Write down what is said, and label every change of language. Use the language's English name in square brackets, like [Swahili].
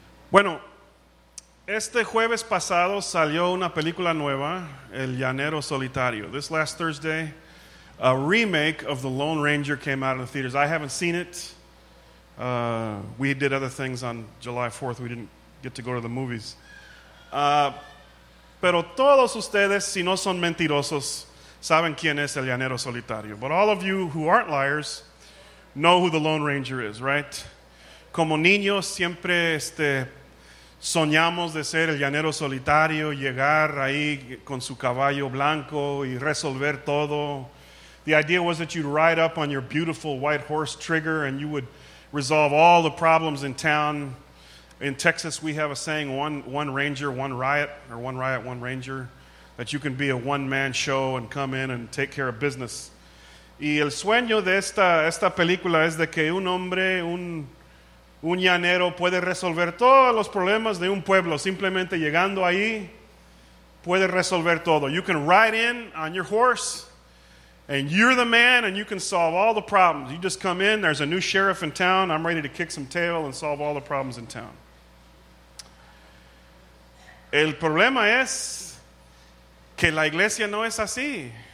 [Spanish] Bueno, este jueves pasado salió una película nueva, El Llanero Solitario. [English] This last Thursday, a remake of The Lone Ranger came out in the theaters. I haven't seen it. We did other things on July 4th. We didn't get to go to the movies. [Spanish] Pero todos ustedes, si no son mentirosos, saben quién es El Llanero Solitario. [English] But all of you who aren't liars know who The Lone Ranger is, right? [Spanish] Como niños, siempre soñamos de ser el llanero solitario, llegar ahí con su caballo blanco y resolver todo. [English] The idea was that you'd ride up on your beautiful white horse Trigger and you would resolve all the problems in town. In Texas, we have a saying, one ranger, one riot, or one riot, one ranger, that you can be a one-man show and come in and take care of business. [Spanish] Y el sueño de esta película es de que un hombre, un llanero puede resolver todos los problemas de un pueblo. Simplemente llegando ahí, puede resolver todo. [English] You can ride in on your horse, and you're the man, and you can solve all the problems. You just come in, there's a new sheriff in town, I'm ready to kick some tail and solve all the problems in town. [Spanish] El problema es que la iglesia no es así.